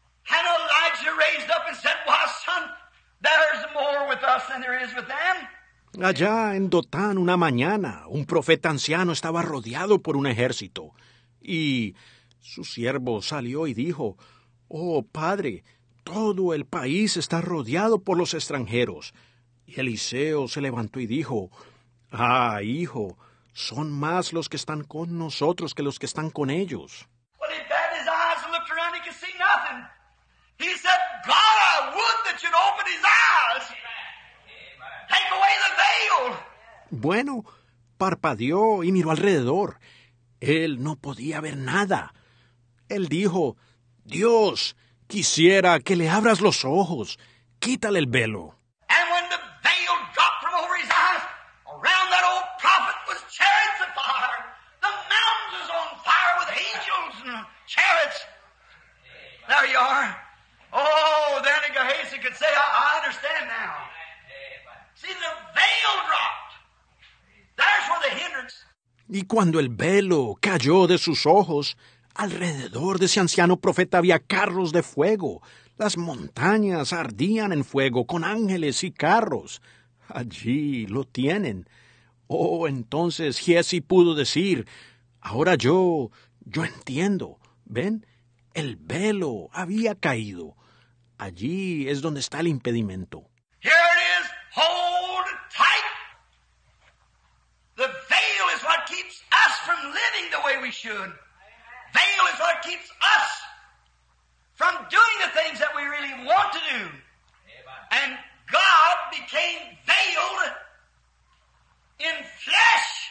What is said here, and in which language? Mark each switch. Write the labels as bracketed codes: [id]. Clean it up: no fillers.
[en] And Elijah raised up and said, why, son, there's more with us than there is with them. [es] Allá en Dothan, una mañana, un profeta anciano estaba rodeado por un ejército. Y su siervo salió y dijo, oh, padre, todo el país está rodeado por los extranjeros. Y Eliseo se levantó y dijo, ah, hijo, son más los que están con nosotros que los que están con ellos. [en] Well, he bent his eyes and looked around, he could see nothing. He said, God, I would that you'd open his eyes. Amen. Take away the veil. [es] Bueno, parpadeó y miró alrededor. Él no podía ver nada. Él dijo, Dios, quisiera que le abras los ojos. Quítale el velo. [en] And when the veil dropped from over his eyes, around that old prophet was chariots of fire. The mountains was on fire with angels and chariots. There you are. Oh, then Gehazi could say, I understand now. See, the veil dropped. There's where the hindrance. [es] Y cuando el velo cayó de sus ojos, alrededor de ese anciano profeta había carros de fuego. Las montañas ardían en fuego con ángeles y carros. Allí lo tienen. Oh, entonces Giesi pudo decir, ahora yo entiendo. ¿Ven? El velo había caído. Allí es donde está el impedimento. [en] Here it is. Hold tight. The veil is what keeps us from living the way we should. Veil is what keeps us from doing the things that we really want to do. And God became veiled in flesh.